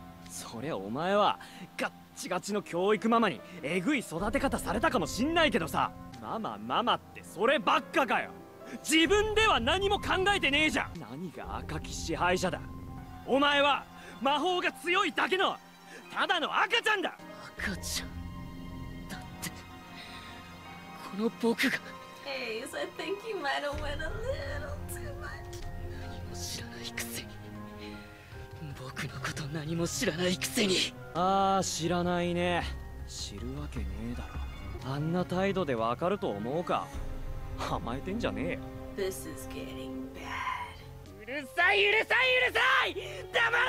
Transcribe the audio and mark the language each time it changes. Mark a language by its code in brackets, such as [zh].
[ja] そりゃお前はガッガチガチの教育ママにえぐい育て方されたかもしんないけどさ、ママママってそればっかかよ。自分では何も考えてねえじゃん。何が赤き支配者だ。お前は魔法が強いだけのただの赤ちゃんだ。赤ちゃんだってこの僕が。 [en] Ace, I think you might have went a little too much. [ja] 何も知らないくせに、僕のこと何も知らないくせに。ああ、知らないね。知るわけねえだろ。あんな態度でわかると思うか。甘えてんじゃねえよ。 [en] This is getting bad. [ja] うるさい、うるさい、うるさい！